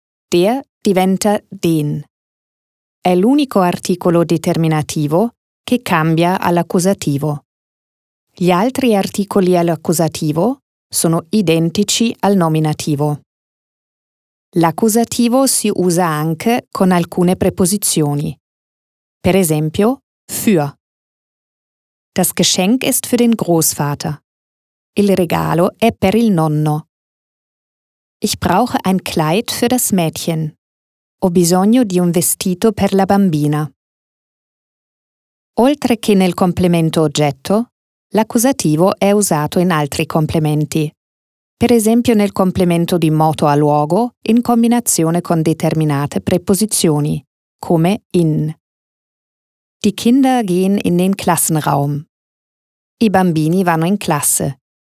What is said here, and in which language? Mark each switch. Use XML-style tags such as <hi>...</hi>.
<it>Der diventa den. È l'unico articolo determinativo che cambia all'accusativo. Gli altri articoli all'accusativo sono identici al nominativo. L'accusativo si usa anche con alcune preposizioni. Per esempio, für.</it> <de>Das Geschenk ist für den Großvater.</de> <it>Il regalo è per il nonno.</it> <de>Ich brauche ein Kleid für das Mädchen.</de> <it>Ho bisogno di un vestito per la bambina. Oltre che nel complemento oggetto, l'accusativo è usato in altri complementi. Per esempio nel complemento di moto a luogo in combinazione con determinate preposizioni, come in.</it> <de>Die Kinder gehen in den Klassenraum.</de> <it>I bambini vanno in classe.</it>